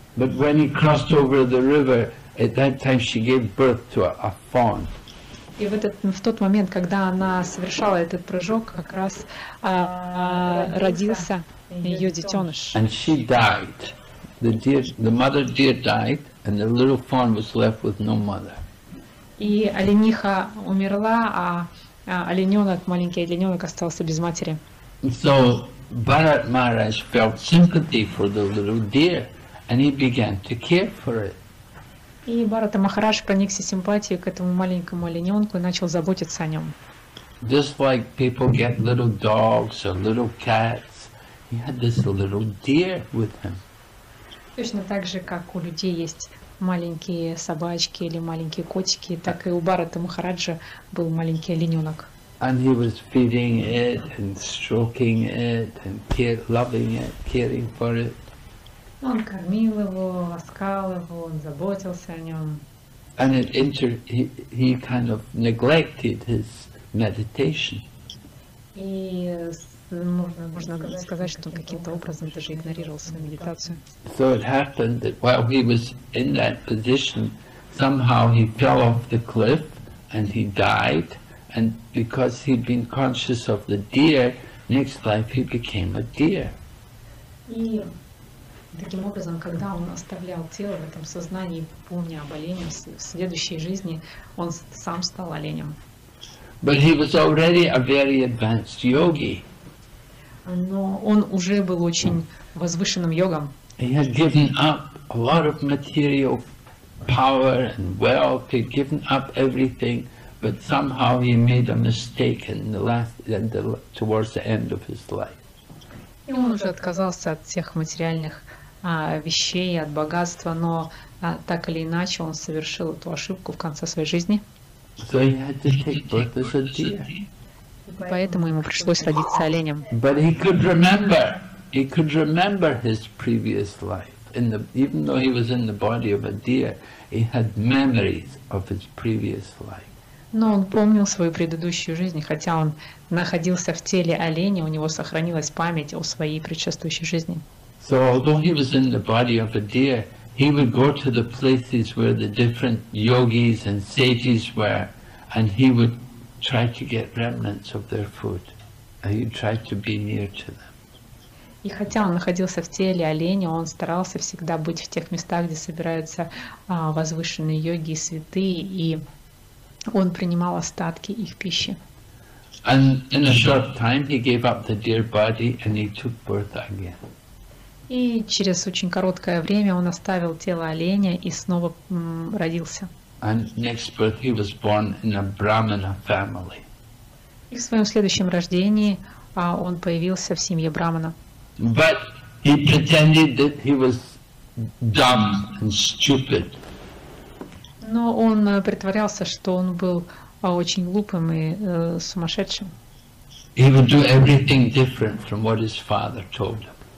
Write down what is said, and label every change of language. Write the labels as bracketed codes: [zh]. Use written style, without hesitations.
[en] But when he crossed over the river, at that time she gave birth to a fawn. [ru] И в тот момент, когда она совершала этот прыжок, как раз родился ее детеныш. [en] And she died. The mother deer died, and the little fawn was left with no mother. [ru] И олениха умерла, а олененок, маленький олененок, остался без матери. [en] So Bharat Maharaj felt sympathy for the little deer, and he began to care for it. [ru] И Бхарата Махарадж проникся симпатией к этому маленькому олененку и начал заботиться о нем. [en] Just like people get little dogs or little cats, he had this little deer with him. [ru] Точно так же, как у людей есть маленькие собачки или маленькие котики, так и у Бхарата Махараджа был маленький олененок. [en] And he was feeding it and stroking it and loving it, caring for it. [ru] Он кормил его, ласкал его, он заботился о нем. [en] And he kind of neglected his meditation. [ru] И можно сказать, что он каким-то образом даже игнорировал свою медитацию. [en] So it happened that while he was in that position, somehow he fell off the cliff and he died. And because he'd been conscious of the deer, next life he became a deer. [ru] Таким образом, когда он оставлял тело в этом сознании, помня об олене, в следующей жизни он сам стал оленем. [en] But he was already a very advanced yogi. [ru] Но он уже был очень возвышенным йогом. [en] He had given up a lot of material power and wealth, he'd given up everything, but somehow he made a mistake towards the end of his life. [ru] И он уже отказался от всех материальных вещей, от богатства, но так или иначе он совершил эту ошибку в конце своей жизни. [en] So he had to take birth as a deer. [ru] Поэтому ему пришлось родиться оленем. [en] But he could remember his previous life. Even though he was in the body of a deer, he had memories of his previous life. [ru] Но он помнил свою предыдущую жизнь, хотя он находился в теле оленя, у него сохранилась память о своей предшествующей жизни. [en] So although he was in the body of a deer, he would go to the places where the different yogis and sages were, and he would try to get remnants of their food, and he tried to be near to them. [ru] И хотя он находился в теле оленя, он старался всегда быть в тех местах, где собираются возвышенные йоги и святые, и он принимал остатки их пищи. [en] And in a short time he gave up the deer body and he took birth again. [ru] И через очень короткое время он оставил тело оленя и снова родился. [en] And next birth he was born in a Brahmana family. [ru] И в своем следующем рождении он появился в семье Брахмана. [en] But he pretended that he was dumb and stupid. [ru] Но он притворялся, что он был очень глупым и сумасшедшим. [en] He would do everything different from what his father told him.